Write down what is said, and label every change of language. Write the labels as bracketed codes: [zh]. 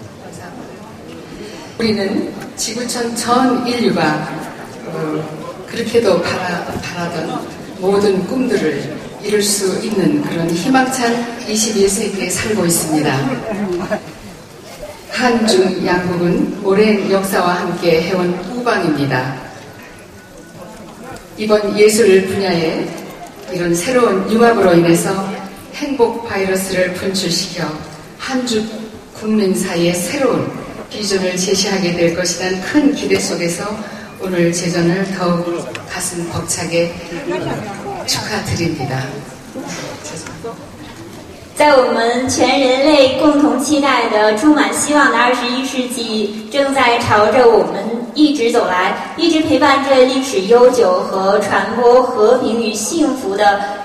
[zh] 韩中文化交流组委会主席大韩民国总统特使朴槿林致辞。 [ko] 우리는 지구촌 전 인류가 그렇게도 바라던 모든 꿈들을 이룰 수 있는 그런 희망찬 21세기에 살고 있습니다. 한중 양국은 오랜 역사와 함께 해온 후방입니다. 이번 예술 분야에 이런 새로운 융합으로 인해서 행복 바이러스를 분출시켜 한중 국민 사이에 새로운 비전을 제시하게 될 것이란 큰 기대 속에서 오늘 제전을 더욱 가슴 벅차게 축하드립니다. [zh] 在我们全人类共同期待的、充满希望的21世纪，正在朝着我们一直走来、一直陪伴着历史悠久和传播和平与幸福的